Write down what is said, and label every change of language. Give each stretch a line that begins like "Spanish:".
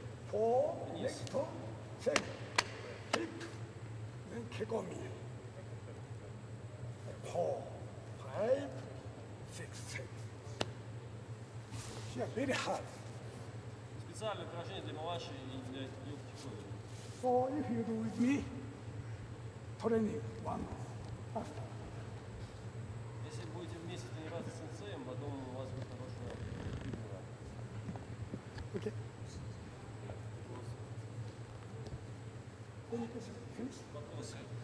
English: four, next two, six. Then kick on me. Four, five, six, seven. Yeah, very hard.
Russian: Специальное упражнение для малыши и для юбки.
English: So if you do with me, training one after.
Russian: Если будете вместе тренироваться с сенсеем, потом у вас будет хорошая фигура.
English: Okay.
Russian: Вопросы.